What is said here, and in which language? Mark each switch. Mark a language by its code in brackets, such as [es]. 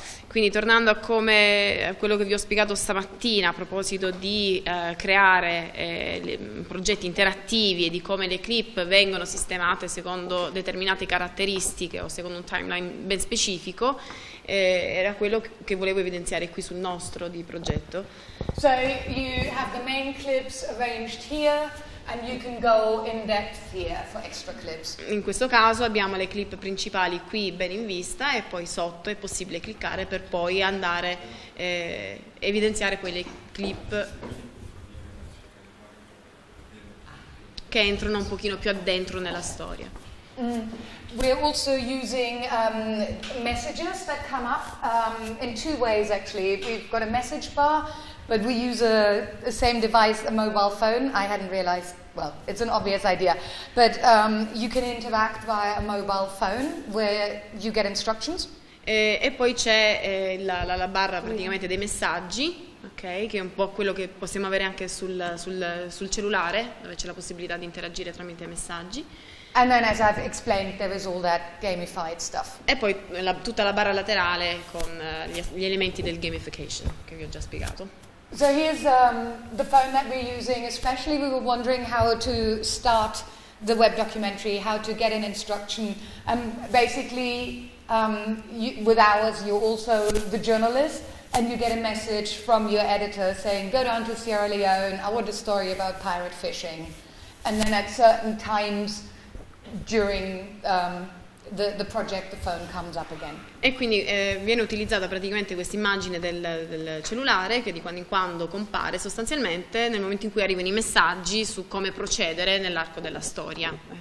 [it] Quindi tornando a come quello che vi ho spiegato stamattina a proposito di creare progetti interattivi e di come le clip vengono sistemate secondo determinate caratteristiche o secondo un timeline ben specifico, era quello che volevo evidenziare qui sul nostro di progetto. [en] So you have the main clips arranged here. And you can go in depth here for extra clips. [it] In questo caso abbiamo le clip principali qui ben in vista, e poi sotto è possibile cliccare per poi andare evidenziare quelle clip che entrano un pochino più addentro nella storia. [en] We're also using messages that come up in two ways, actually. We've got a message bar, but we use the same device, a mobile phone. I hadn't realized, well, it's an obvious idea. But you can interact via a mobile phone where you get instructions. [it] E poi c'è la barra praticamente dei messaggi, okay, che è un po' quello che possiamo avere anche sul cellulare, dove c'è la possibilità di interagire tramite messaggi. [en] And then, as I've explained, there is all that gamified stuff. [it] E poi tutta la barra laterale con gli elementi del gamification che vi ho già spiegato. [en] So here's the phone that we're using. Especially, we were wondering how to start the web documentary, how to get an instruction, and basically. With ours, you're also the journalist, and you get a message from your editor saying, go down to Sierra Leone, I want a story about pirate fishing. And then at certain times during the project, the phone comes up again. [it] E quindi viene utilizzata praticamente questa immagine del cellulare, che di quando in quando compare sostanzialmente nel momento in cui arrivano i messaggi su come procedere nell'arco della storia.